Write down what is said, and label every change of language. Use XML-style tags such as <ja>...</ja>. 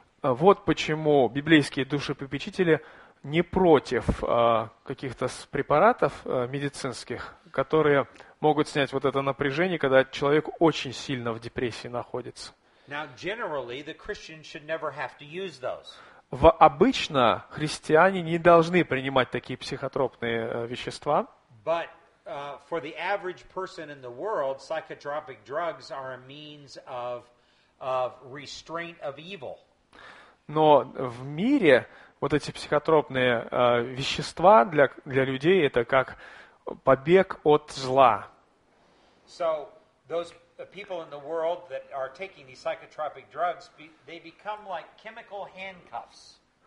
<ru>Вот почему библейские душепопечители не против каких-то препаратов медицинских, которые могут снять вот это напряжение, когда человек очень сильно в депрессии находится.</ru> <en>Now, generally, the Christian should never have to use those.</en> <ru>Обычно христиане не должны принимать такие психотропные вещества.</ru> <en>But for the average person in the world, psychotropic drugs are a means of restraint of evil.</en> <ru>Но в мире вот эти психотропные вещества для людей это как побег от зла.</ru> <en>So those people in the world that are taking these psychotropic drugs, they become like chemical handcuffs.</en>